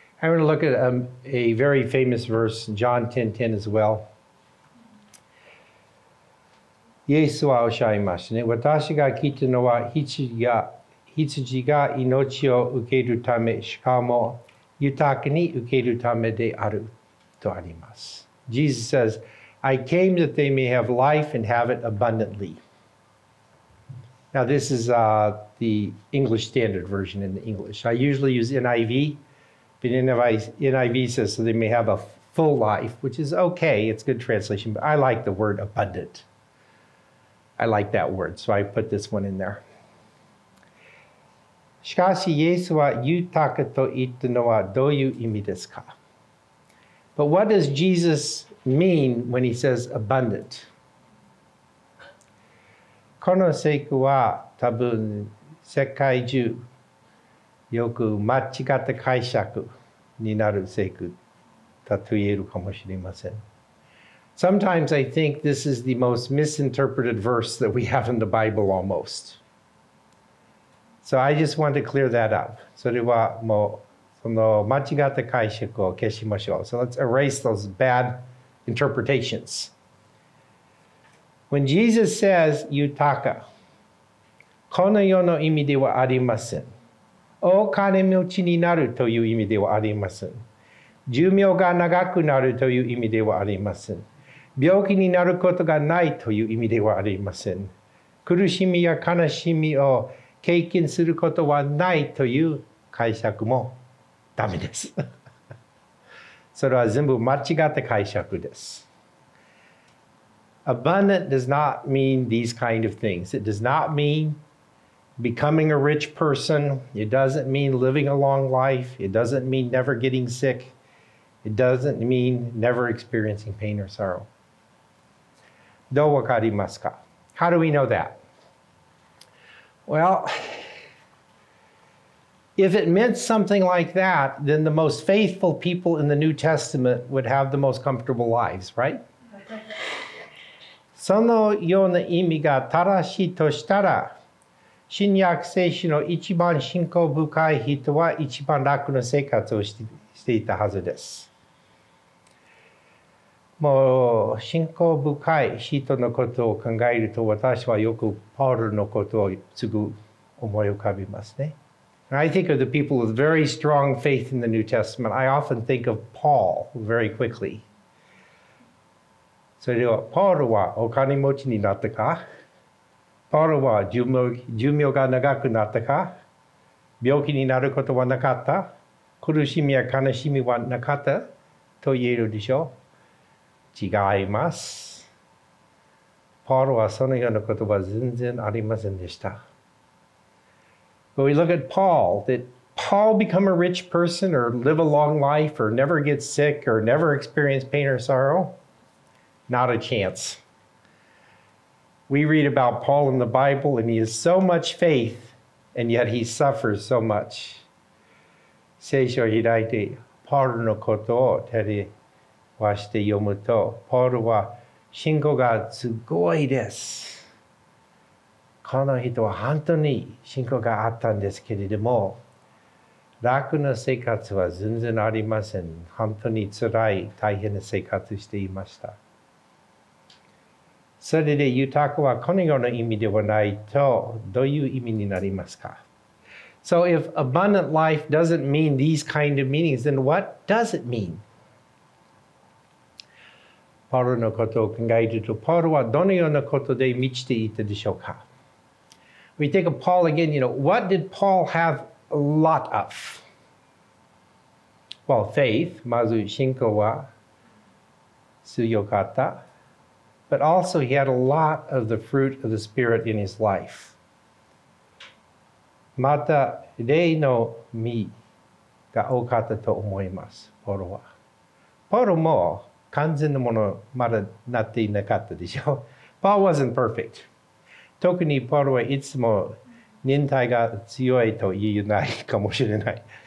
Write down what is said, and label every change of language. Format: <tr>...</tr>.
<en>I want to look at a very famous verse, John 10:10 as well.</en> <ja>イエスはおっしゃいましたね。私が来たのは羊が命を受けるため、しかも豊かに受けるためであるとあります。</ja> <en>Jesus says, I came that they may have life and have it abundantly. Now, this is the English Standard Version in the English. I usually use NIV, but NIV says so they may have a full life, which is okay. It's a good translation, but I like the word abundant. I like that word, so I put this one in there.</en> <ja>しかし、イエスは豊かと言ったのはどういう意味ですか?</ja> <en>But what does Jesus mean when he says abundant?</en> <ja>この聖句は多分世界中よく間違った解釈になる聖句だと言えるかもしれません。</ja> <en>Sometimes I think this is the most misinterpreted verse that we have in the Bible almost. So I just want to clear that up.</en> <ja>それはもうその間違った解釈を消しましょう。</ja> <en>So let's erase those bad interpretations. When Jesus says,</en> <ja>Yutaka, この世の意味ではありません。お金持ちになるという意味ではありません。寿命が長くなるという意味ではありません。病気になることがないという意味ではありません。苦しみや悲しみを経験することはないという解釈もダメです。それは全部間違った解釈です。</ja> <en>Abundant does not mean these kind of things. It does not mean becoming a rich person. It doesn't mean living a long life. It doesn't mean never getting sick. It doesn't mean never experiencing pain or sorrow.</en> <ja>どうわかりますか?</ja> <en>How do we know that? Well, if it meant something like that, then the most faithful people in the New Testament would have the most comfortable lives, right?</en> <ja>そのような意味が正しいとしたら、新約聖書の一番信仰深い人は一番楽な生活をしていたはずです。もう信仰深い人のことを考えると、私はよくパウロのことをすぐ思い浮かびますね。</ja> <en>And I think of the people with very strong faith in the New Testament. I often think of Paul very quickly.</en> <ja>それでは、パウロはお金持ちになったか?パウロは寿命が長くなったか? 病気になることはなかった?苦しみや悲しみはなかった? と言えるでしょう? 違います。パウロはそのようなことは全然ありませんでした。</ja> <en>But we look at Paul. Did Paul become a rich person or live a long life or never get sick or never experience pain or sorrow? Not a chance. We read about Paul in the Bible, and he has so much faith, and yet he suffers so much.</en> <ja>聖書を開いて、パウロのことを手で話して読むと、パウロは信仰がすごいです。この人は本当に信仰があったんですけれども、楽な生活は全然ありません。本当に辛い、大変な生活していました。それで豊かはこのような意味ではないとどういう意味になりますか?</ja> <en>So if abundant life doesn't mean these kind of meanings, then what does it mean?</en> <ja>パウロのことを考えると、パウロはどのようなことで満ちていたでしょうか?</ja> <en>We think of Paul again, you know, what did Paul have a lot of? Well, faith,</en> <ja>まず信仰は強かった。</ja> <en>But also he had a lot of the fruit of the Spirit in his life.</en> <ja>また、霊の実が多かったと思います、ポロは。ポロも完全なものまだなっていなかったでしょう。</ja> <en>Paul wasn't perfect.</en> <ja>特にポロはいつも忍耐が強いと言えないかもしれない。</ja>